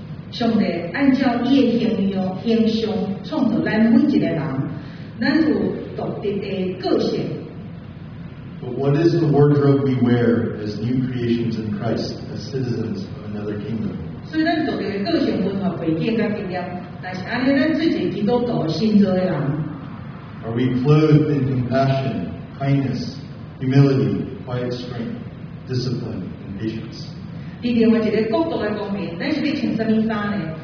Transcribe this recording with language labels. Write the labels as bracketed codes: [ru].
[nan] 上帝按照伊的形象、形象创造咱每一个人，咱有独特的个性。 [en] But what is the wardrobe we wear as new creations in Christ, as citizens of another kingdom? [nan] 所以咱独特的个性文化背景甲经验，但是安尼咱做一个基督徒新造的人。 [en] Are we clothed in compassion, kindness, humility, quiet strength, discipline, and patience? [nan] 在另外一个角度来讲，咱是要穿什么衫呢？